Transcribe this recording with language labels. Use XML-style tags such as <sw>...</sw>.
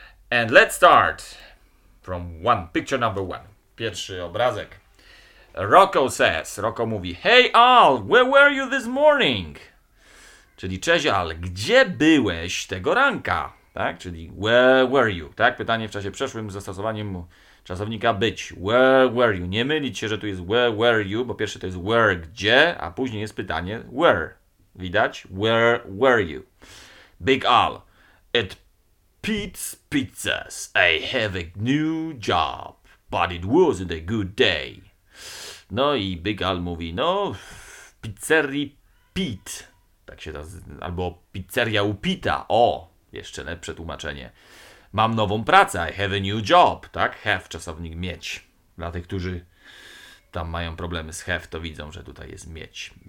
<en>And let's start from one, picture number one.</en> <pl>Pierwszy obrazek.</pl> <en>Rocco says,</en> <pl>Rocco mówi,</pl> <en>hey Al, where were you this morning?</en> <pl>Czyli cześć Al, gdzie byłeś tego ranka? Tak, czyli</pl> <en>where were you?</en> <pl>Tak, pytanie w czasie przeszłym z zastosowaniem czasownika być.</pl> <en>Where were you?</en> <pl>Nie mylić się, że tu jest</pl> <en>where were you,</en> <pl>bo pierwsze to jest where, gdzie, a później jest pytanie where. Widać?</pl> <en>Where were you? Big Al, at Pete's Pizzas, I have a new job, but it wasn't a good day.</en> <pl>No i Big Al mówi, no, pizzerii Pete, tak się nazywa, albo pizzeria u Pita, o, jeszcze lepsze tłumaczenie. Mam nową pracę,</pl> <en>I have a new job,</en> <pl>tak, have, czasownik mieć. Dla tych, którzy tam mają problemy z have, to widzą, że tutaj jest mieć.</pl>